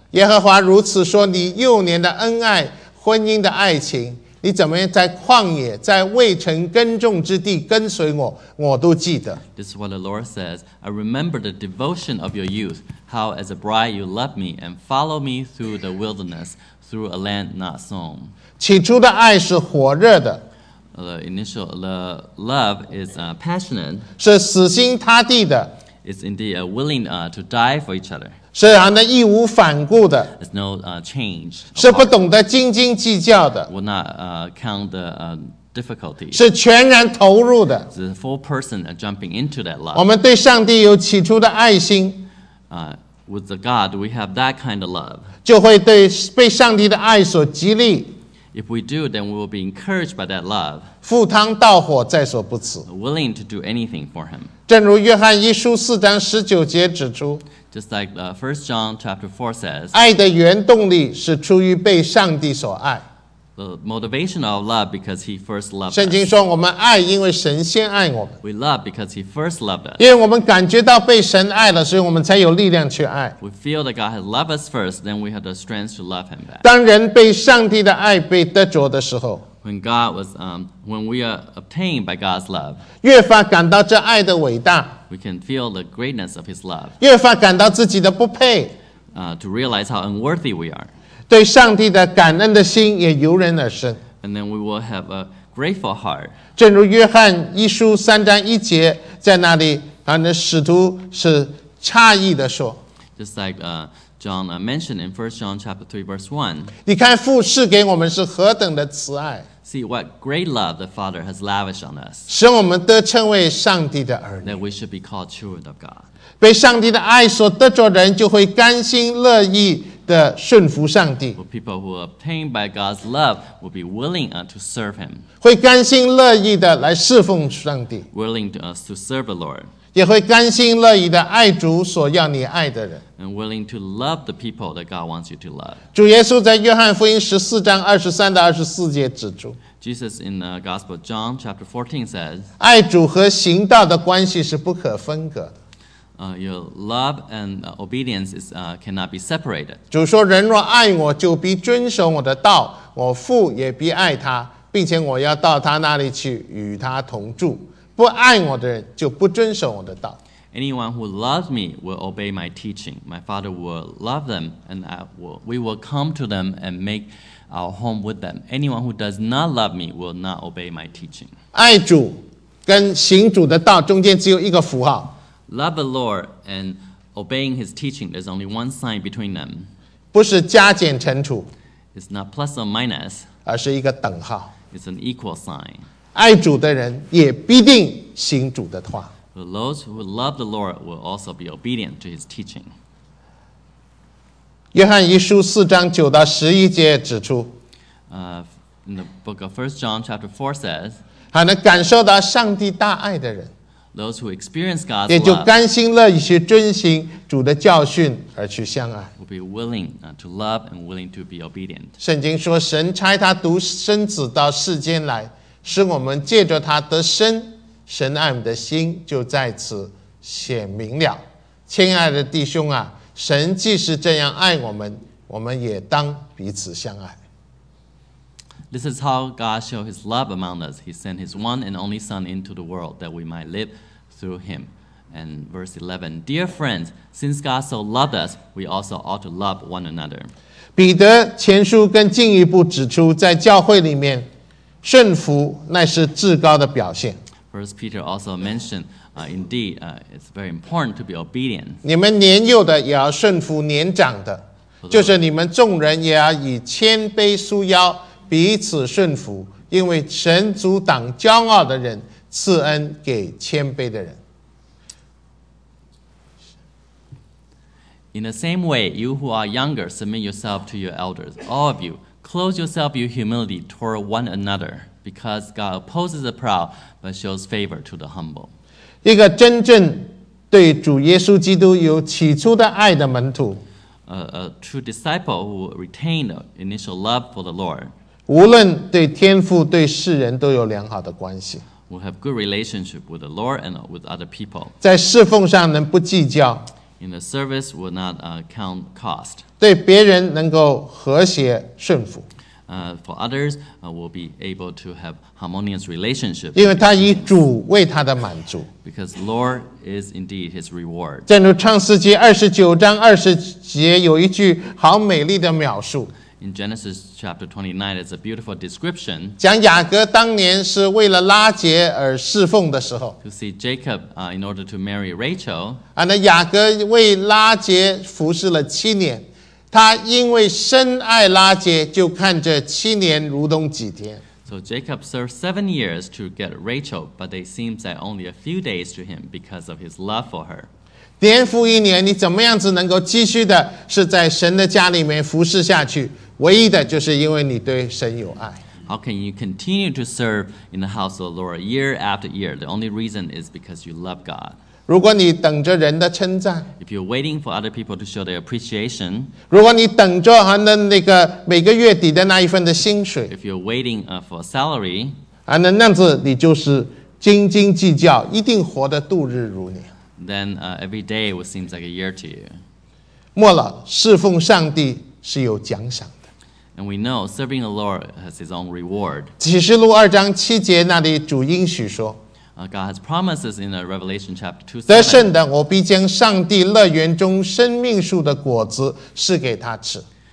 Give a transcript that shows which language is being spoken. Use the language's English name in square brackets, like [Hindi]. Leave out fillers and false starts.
[Chinese] 耶和华如此说：你幼年的恩爱，婚姻的爱情，你怎么在旷野，在未曾耕种之地跟随我，我都记得。 [English] This is what the Lord says. I remember the devotion of your youth, how as a bride you loved me and followed me through the wilderness, through a land not sown. [Chinese] 起初的爱是火热的。 [English] The love is passionate. [Chinese] 是死心塌地的。 [English] It's indeed willing to die for each other. [Chinese] 是那义无反顾的。 [English] It's no change. [Chinese] 是不懂得斤斤计较的。 [English] Will not count the difficulty. [Chinese] 是全然投入的。 [English] It's a full person jumping into that love. [Chinese] 我们对上帝有起初的爱心。 [English] With the God, we have that kind of love. [Chinese] 就会对被上帝的爱所激励。 [English] If we do, then we will be encouraged by that love. [Chinese] 赴汤蹈火在所不辞 [English] Willing to do anything for him. [Chinese] 正如约翰一书四章十九节指出 [English] Just like First John chapter 4 says, [Chinese] 爱的原动力是出于被上帝所爱 [English] the motivation of love because he first loved us. [Chinese] 圣经说我们爱因为神先爱我们。 [English] We love because he first loved us. [Chinese] 因为我们感觉到被神爱了，所以我们才有力量去爱。 [English] We feel that God has loved us first, then we have the strength to love him back. [Chinese] 当人被上帝的爱被得着的时候， [English] When God was, when we are obtained by God's love, [Chinese] 越发感到这爱的伟大 [English] we can feel the greatness of His love. [Chinese] 越发感到自己的不配 [English] to realize how unworthy we are. [Chinese] 对上帝的感恩的心也油然而生 [English] And then we will have a grateful heart. [Chinese] 正如约翰一书三章一节在那里，反正使徒是诧异的说 [English] Just like, John mentioned in 1 John chapter 3 verse 1. [Chinese] 你看父赐给我们是何等的慈爱。 [English] See what great love the Father has lavished on us. [Chinese] 使我们得称为上帝的儿女。 [English] That we should be called children of God. [Chinese] 被上帝的爱所得着的人就会甘心乐意的顺服上帝。 [English] For people who are obtained by God's love will be willing to serve him. [Chinese] 会甘心乐意的来侍奉上帝。 [English] Willing to us to serve the Lord. [Chinese] 也会甘心乐意的爱主所要你爱的人。 [English] And willing to love the people that God wants you to love. [Chinese] 主耶稣在约翰福音十四章二十三到二十四节指出。 [English] Jesus in the Gospel of John chapter 14 says, [Chinese] 爱主和行道的关系是不可分割的。 [English] Your love and obedience is, cannot be separated. [Chinese] 主说人若爱我就必遵守我的道，我父也必爱他，并且我要到他那里去与他同住。不爱我的人就不遵守我的道。 [English] Anyone who loves me will obey my teaching. My Father will love them, and we will come to them and make our home with them. Anyone who does not love me will not obey my teaching. [Chinese] 爱主跟行主的道中间只有一个符号。 [English] Love the Lord and obeying His teaching. There's only one sign between them. [Chinese] 不是加减乘除。 [English] It's not plus or minus. [Chinese] 而是一个等号。 [English] It's an equal sign. [Chinese] 爱主的人也必定行主的话。 [English] Those who love the Lord will also be obedient to His teaching. [Chinese] 约翰一书四章九到十一节指出 [English] in the book of 1 John chapter 4 says, [Chinese] 还能感受到上帝大爱的人 [English] Those who experience God's love, [Chinese] 也就甘心乐意去遵行主的教训而去相爱。 [English] Will be willing to love and willing to be obedient. [Chinese] 圣经说神差他独生子到世间来使我们借着他得生，神爱我们的心就在此显明了。亲爱的弟兄啊，神既是这样爱我们，我们也当彼此相爱。 [English] This is how God showed His love among us. He sent His one and only Son into the world that we might live through Him. And verse 11, Dear friends, since God so loved us, we also ought to love one another. [Chinese] 彼得前书更进一步指出，在教会里面顺服乃是至高的表现。 [English] First Peter also mentioned, indeed, it's very important to be obedient. [Chinese] 你们年幼的也要顺服年长的，就是你们众人也要以谦卑束腰，彼此顺服，因为神阻挡骄傲的人，赐恩给谦卑的人。 [English] In the same way, you who are younger, submit yourself to your elders, all of you. Close yourself with humility toward one another, because God opposes the proud, but shows favor to the humble. [Chinese] 一个真正对主耶稣基督有起初的爱的门徒 [English] a true disciple who retained initial love for the Lord, [Chinese] 无论对天父对世人都有良好的关系 [English] will have good relationship with the Lord and with other people. [Chinese] 在侍奉上能不计较 [English] in the service will not count cost. [Chinese] 对别人能够和谐顺服。 [English] For others, will be able to have harmonious relationship. [Chinese] 因为他以主为他的满足。 [English] Because Lord is indeed his reward. [Chinese] 正如创世纪二十九章二十节有一句好美丽的描述。 [English] In Genesis chapter 29, it's a beautiful description. [Chinese] 讲雅各当年是为了拉结而侍奉的时候。 [English] To see Jacob, in order to marry Rachel. [Chinese] 那雅各为拉结服侍了七年。他因为深爱拉结，就看这七年如同几天。 [English] So Jacob served 7 years to get Rachel, but they seemed like only a few days to him because of his love for her. [Chinese] 年复一年，你怎么样子能够继续的是在神的家里面服侍下去？唯一的就是因为你对神有爱。 [English] How can you continue to serve in the house of the Lord year after year? The only reason is because you love God. [Chinese] 如果你等着人的称赞， [English] if you're waiting for other people to show their appreciation， [Chinese] 如果你等着那个每个月底的那一份的薪水， [English] if you're waiting for a salary， [Chinese] 那样子你就是斤斤计较，一定活得度日如年。 [English] Then every day will seem like a year to you。 [Chinese] 末了，侍奉上帝是有奖赏的。 [English] And we know serving the Lord has his own reward。 [Chinese] 启示录二章七节那里主应许说。 [English] God has promises in the Revelation chapter 2. [Chinese] 得胜的，我必将上帝乐园中生命树的果子赐给他吃。